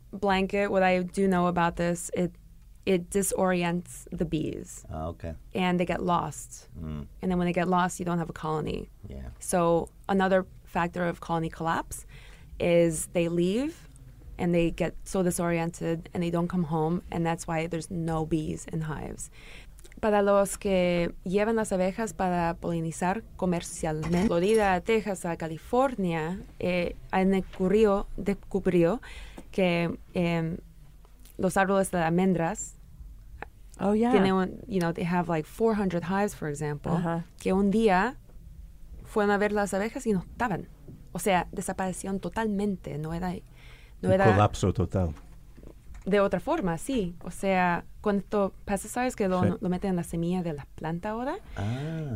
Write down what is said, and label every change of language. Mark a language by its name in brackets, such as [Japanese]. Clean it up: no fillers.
[English] blanket, what I do know about this, it disorients the bees. Oh, okay. And they get lost. Mm. And then when they get lost, you don't have a colony. Yeah. So another factor of colony collapse is they leave and they get so disoriented and they don't come home. And that's why there's no bees in hives. [Spanish] Para los que llevan las abejas para polinizar comercialmente, Florida, Texas, California, han descubrió que los árboles de almendras oh, yeah. tienen, [English] you know, they have like 400 hives, for example, uh-huh. [Spanish] que un día fueron a ver las abejas y no estaban. O sea, desaparecieron totalmente. No era un colapso total. De otra forma, sí. O sea, con estos pesticides que lo meten en la semilla de la planta ahora, ah.